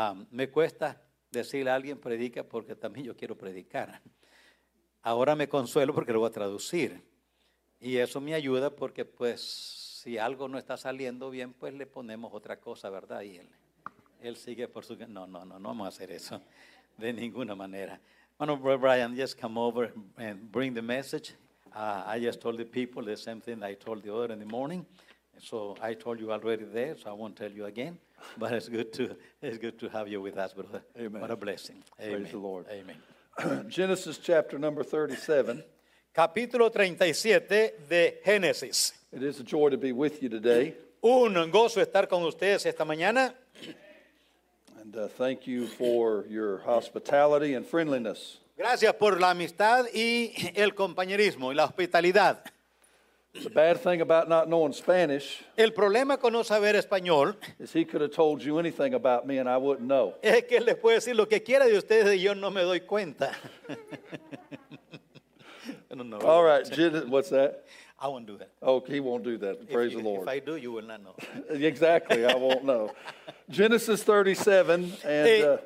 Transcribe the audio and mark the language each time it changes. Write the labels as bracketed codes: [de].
[es] Me cuesta decirle a alguien predica porque también yo quiero predicar. Ahora me consuelo porque lo voy a traducir. Y eso me ayuda porque pues si algo no está saliendo bien, pues le ponemos otra cosa, ¿verdad? Y él sigue por su... No vamos a hacer eso de ninguna manera. [en] Bueno, Brian, just come over and bring the message. I just told the people the same thing I told the other in the morning. So I told you already there, so I won't tell you again. But it's good to have you with us, brother. Amen. What a blessing. Amen. Praise the Lord. Amen. Genesis chapter number 37. [es] Capítulo 37 de Génesis. [en] It is a joy to be with you today. [es] Un gozo estar con ustedes esta mañana. [en] And thank you for your hospitality and friendliness. [es] Gracias por la amistad y el compañerismo y la hospitalidad. [en] It's a bad thing about not knowing Spanish. [es] El problema con no saber español [en] is he could have told you anything about me and I wouldn't know. [es] Es que él les puede decir lo que quiera de ustedes y yo no me doy cuenta. [en] All right, what's that? I won't do that. Okay, he won't do that. Praise the Lord. If I do, you will not know. Exactly, I won't know. Genesis 37 and